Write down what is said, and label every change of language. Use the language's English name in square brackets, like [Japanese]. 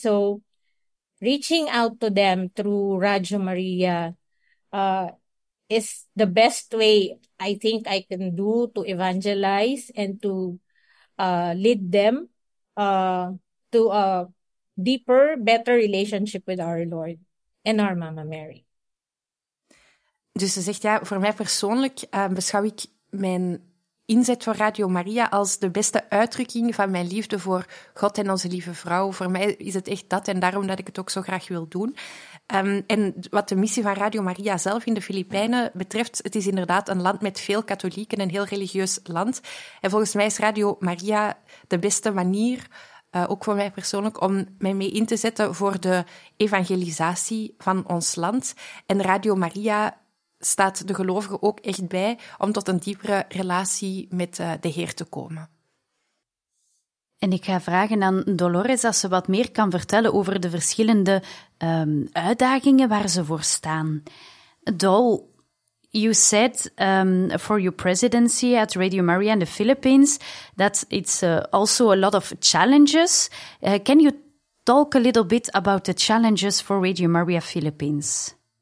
[English] So reaching out to them through Radio Maria is the best way I think I can do to evangelize and to lead them to a deeper, better relationship with our Lord and our Mama Mary. [Dutch] Dus ze zegt, ja, voor mij persoonlijk beschouw ik mijn inzet voor Radio Maria als de beste uitdrukking van mijn liefde voor God en onze lieve vrouw. Voor mij is het echt dat en daarom dat ik het ook zo graag wil doen. En wat de missie van Radio Maria zelf in de Filipijnen betreft, het is inderdaad een land met veel katholieken, een heel religieus land. En volgens mij is Radio Maria de beste manier, ook voor mij persoonlijk, om mij mee in te zetten voor de evangelisatie van ons land. En Radio Maria staat de gelovige ook echt bij om tot een diepere relatie met de Heer te komen. En ik ga vragen aan Dolores als ze wat meer kan vertellen over de verschillende uitdagingen waar ze voor staan. [English] Dol, you said for your presidency at Radio Maria in the Philippines that it's also a lot of challenges. Can you talk a little bit about the challenges for Radio Maria Philippines?